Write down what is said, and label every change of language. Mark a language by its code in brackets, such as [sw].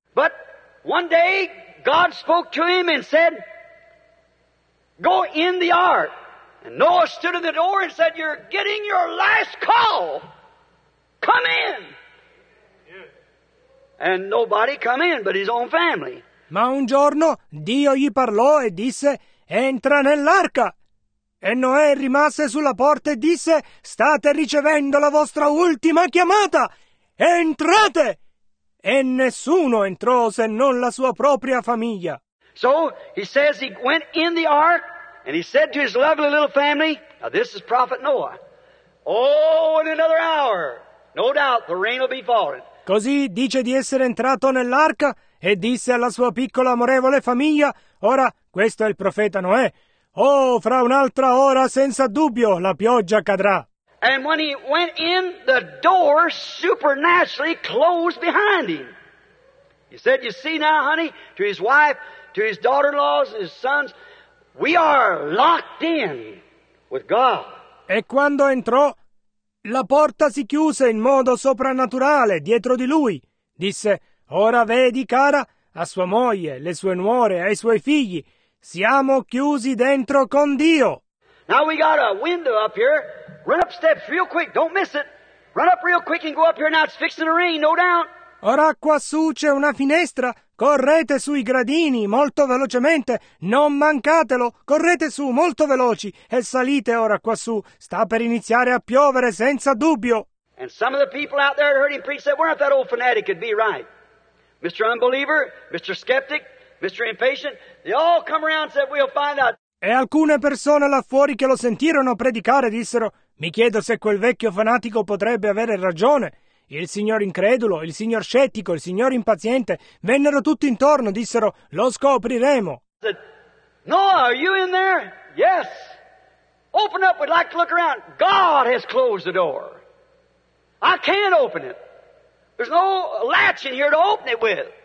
[en] But one day God spoke to him and said, go in the ark. And Noah stood in the door and said, you're getting your last call. Come in. And nobody come in but his own family. [it] Ma un giorno Dio gli parlò e disse, entra nell'arca. E Noè rimase sulla porta e disse, state ricevendo la vostra ultima chiamata. Entrate! E nessuno entrò se non la sua propria famiglia. [en] So he says he went in the ark And he said to his lovely little family, now this is Prophet Noah, oh, in another hour, no doubt, the rain will be falling. [it] Così dice di essere entrato nell'arca e disse alla sua piccola amorevole famiglia, ora, questo è il profeta Noè, oh, fra un'altra ora, senza dubbio, la pioggia cadrà. [en] And when he went in, the door supernaturally closed behind him. He said, you see now, honey, to his wife, to his daughter-in-laws, his sons, we are locked in with God. [it] E quando entrò, la porta si chiuse in modo soprannaturale dietro di lui. Disse, ora vedi, cara, a sua moglie, le sue nuore, ai suoi figli, siamo chiusi dentro con Dio. [en] Now we got a window up here. Run up steps real quick. Don't miss it. Run up real quick and go up here now. It's fixing to rain, no doubt. [it] Ora qua su c'è una finestra. Correte sui gradini molto velocemente. Non mancatelo. Correte su molto veloci e salite ora qua su. Sta per iniziare a piovere senza dubbio. [en] And some of the people out there heard him preach that, weren't that old fanatic could be right? Mr. Unbeliever, Mr. Skeptic, Mr. Impatient, they all come around and said, we'll find out. [it] E alcune persone là fuori che lo sentirono predicare dissero, mi chiedo se quel vecchio fanatico potrebbe avere ragione. Il signor incredulo, il signor scettico, il signor impaziente vennero tutti intorno, dissero, lo scopriremo. [en] Noah, are you in there? Yes. Open up, we'd like to look around. God has closed the door. I can't open it. There's no latch in here to open it with.